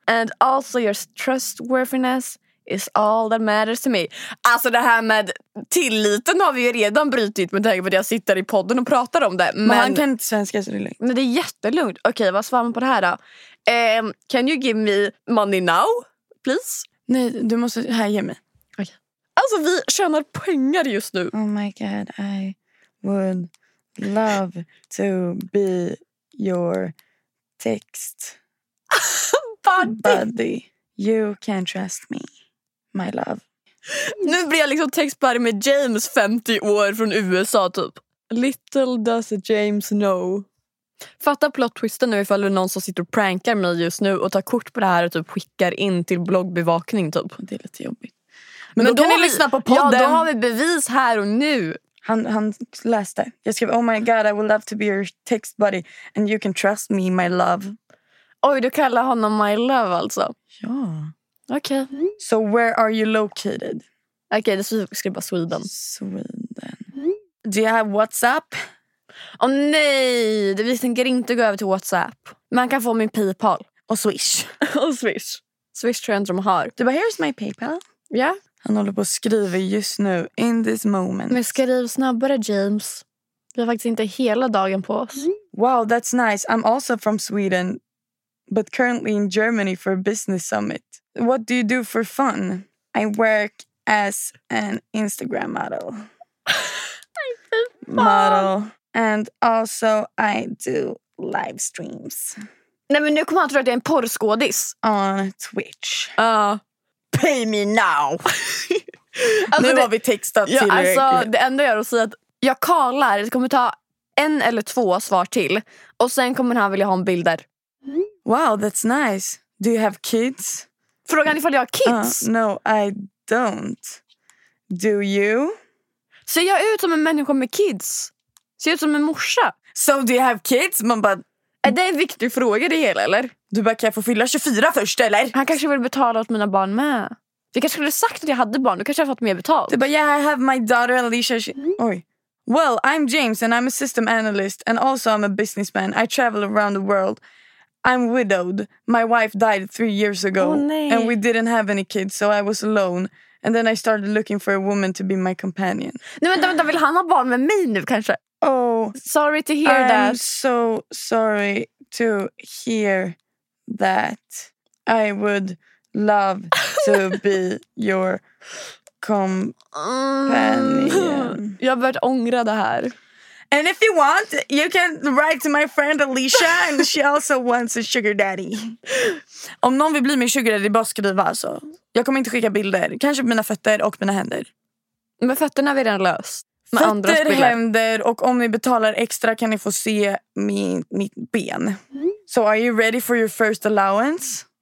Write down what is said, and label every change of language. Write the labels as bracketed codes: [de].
[en] And also your trustworthiness is all that matters to me. [sv] Alltså det här med tilliten har vi ju redan brutit med tanke på att jag sitter i podden och pratar om det. Men han kan inte svenska så det är lugnt. Men det är jättelugnt. Okej, vad svarar man på det här då? [en] Can you give me money now, please? [sv] Nej, du måste... Här, ge mig. Okej. Alltså vi tjänar pengar just nu. [en] Oh my god, I would love to be your text buddy. You can trust me, my love. [sv] Nu blir jag liksom textbuddy med James, 50 år, från USA typ. [en] Little does James know. [sv] Fattar plot twisten nu ifall det är någon som sitter och prankar mig just nu och tar kort på det här och typ skickar in till bloggbevakning typ. Det är lite jobbigt. Men då kan ni lyssna på podden. Ja, då har vi bevis här och nu. Han läste. Jag skrev, [en] oh my god, I would love to be your text buddy and you can trust me, my love. [sv] Oj, du kallar honom [en] my love [sv] alltså. Ja. Okej. [en] So where are you located? [sv] Okej, det skrev bara Sweden. [en] Sweden. Do you have WhatsApp? [sv] Åh nej, vi tänker inte gå över till WhatsApp. Man kan få min PayPal. Och Swish. Och Swish. Swish tror jag inte de har. Du bara, [en] here's my PayPal. [sv] Ja. [en] Yeah. [sv] Han håller på att skriva just nu, [en] in this moment. [sv] Men skriv snabbare, James. Vi har faktiskt inte hela dagen på oss. [en] Wow, that's nice. I'm also from Sweden, but currently in Germany for a business summit. What do you do for fun? I work as an Instagram model. Model. And also I do live streams. [sv] Nej, men nu kommer han tro att jag är en porrskådis. [en] On Twitch. Pay me now. [sv] Alltså, nu har vi textat till Erik. Alltså, det enda jag gör att säga att jag kallar. Det kommer ta en eller två svar till. Och sen kommer han vilja ha en bild där. [en] Wow, that's nice. Do you have kids? [sv] Frågan ifall jag har kids. [en] No, I don't. Do you? [sv] Ser jag ut som en människa med kids? Ser ut som en morsa? [en] So do you have kids? [sv] Man bara... Är det en viktig fråga det hela, eller? Du bara, kan jag få fylla 24 först, eller? Han kanske vill betala åt mina barn med. Vi kanske skulle ha sagt att jag hade barn. Du kanske har fått mer betalt. Du bara, [en] yeah, I have my daughter Alicia. [sv] Oj. [en] Well, I'm James and I'm a system analyst. And also I'm a businessman. I travel around the world. I'm widowed. My wife died 3 years ago. Oh, [sv] nej. [en] And we didn't have any kids, so I was alone. And then I started looking for a woman to be my companion. [sv] Nej, men vänta, vill han ha barn med mig nu, kanske? [en] Oh. Sorry to hear I'm that. I'm so sorry to hear that. I would love to be your companion. [sv] Jag har börjat ångra det här. [en] And if you want, you can write to my friend Alicia and she also wants a sugar daddy. [sv] Om någon vill bli min sugar daddy, bara skriva alltså. Jag kommer inte skicka bilder. Kanske mina fötter och mina händer. Men fötterna är redan löst. Med fötter, andra händer och om ni betalar extra kan ni få se mitt ben. [en] So are you ready for your first allowance?